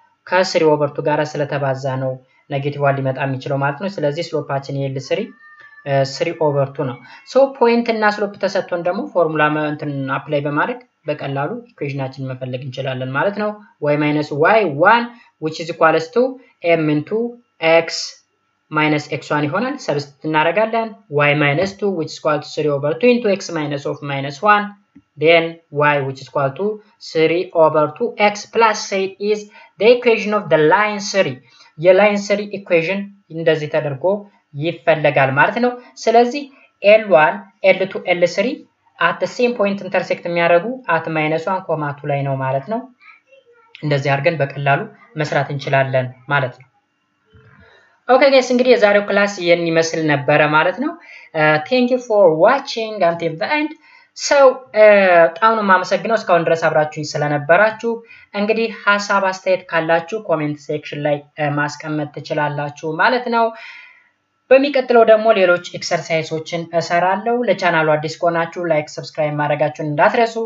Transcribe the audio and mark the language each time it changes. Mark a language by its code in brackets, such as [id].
[am] ከ3 over 2 ጋር ስለተባዛ ነው negative 1 ሊመጣ የሚችለው ማለት ነው ስለዚህ ስሎፓችን የl3 3 over 2 ነው so point እና slope ተሰጥቶን ደግሞ formula እንትን apply በማድረግ በቀላሉ ኢኳዥናችንን መፈለግ እንችላለን ማለት ነው [en] y - y1 which is equal to m into x minus x1 [am] ይሆናል ሰብስቲት እናረጋለን [en] y minus 2 which is equal to 3 over 2 into x minus of minus 1 then y which is equal to 3 over 2 x plus 8 is the equation of the line series your line series equation [am] እንደዚህ ተደርጎ ይፈለጋል ማለት ነው ስለዚህ l1 l2 l3 [en] at the same point intersect [am] የሚያደርጉ [en] at minus 1 comma 2 [am] ላይ ነው ማለት ነው እንደዚህ አርገን በቀላሉ መስራት እንችላለን ማለት ነው [en] Okay guys, [am] እንግዲህ የዛሬው ክላስ ይሄን ይመስል ነበር ማለት ነው. [en] Thank you for watching until the end. [am] So, ታውኑ ማመሰግነው እስካሁን ድረስ አብራችሁኝ ስለነበራችሁ. እንግዲህ ሐሳብ አስተያየት ካላችሁ ኮሜንት ሴክሽን ላይ ማስቀመጥ ትችላላችሁ ማለት ነው. በሚቀጥለው ደግሞ ሌሎች ኤክሰርሳይዞችን እሰራለሁ. ለቻናሉ አዲስ ከሆናችሁ ላይክ ሰብስክራይብ ማድረጋችሁን እንዳትረሱ.